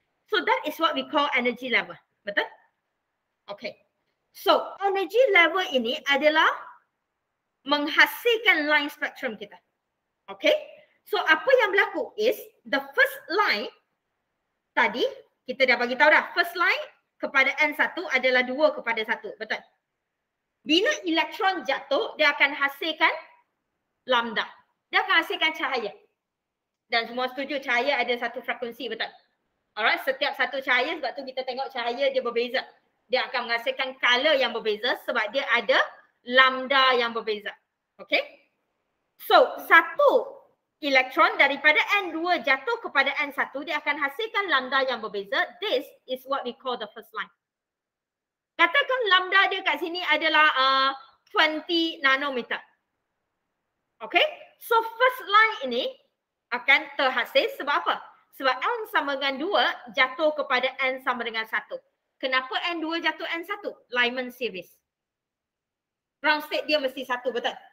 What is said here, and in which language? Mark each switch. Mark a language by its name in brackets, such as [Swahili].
[English] So that is what we call energy level. [Malay] Betul? Okay. So energy level ini adalah menghasilkan line spectrum kita. Okay. So apa yang berlaku is the first line tadi, kita dah bagi tahu dah. First line kepada N1 adalah 2 kepada 1. Betul? Bila elektron jatuh, dia akan hasilkan lambda. Dia akan hasilkan cahaya. Dan semua setuju cahaya ada satu frekuensi, betul? Alright, setiap satu cahaya, sebab tu kita tengok cahaya dia berbeza. Dia akan menghasilkan color yang berbeza sebab dia ada lambda yang berbeza. Okay? So, satu elektron daripada N2 jatuh kepada N1, dia akan hasilkan lambda yang berbeza. [English] This is what we call the first line. [Malay] Katakan lambda dia kat sini adalah 20 nanometer. Okay? So first line ini akan terhasil sebab apa? Sebab N sama dengan 2 jatuh kepada N sama dengan 1. Kenapa N2 jatuh N1? Lyman series. Ground state dia mesti 1, betul?